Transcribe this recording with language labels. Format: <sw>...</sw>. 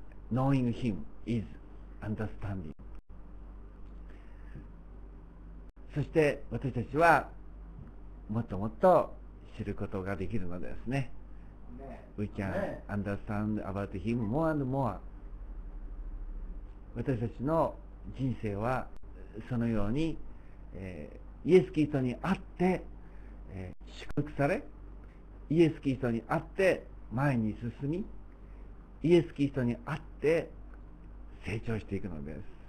<en>Knowing him is understanding.</en> <ja>そして私たちはもっともっと知ることができるのですね。</ja> <en>We can understand about him more and more.</en> <ja>私たちの人生はそのように、イエス・キリストに会って、祝福され、イエス・キリストに会って前に進み、イエス・キリストに会って成長していくのです。</ja>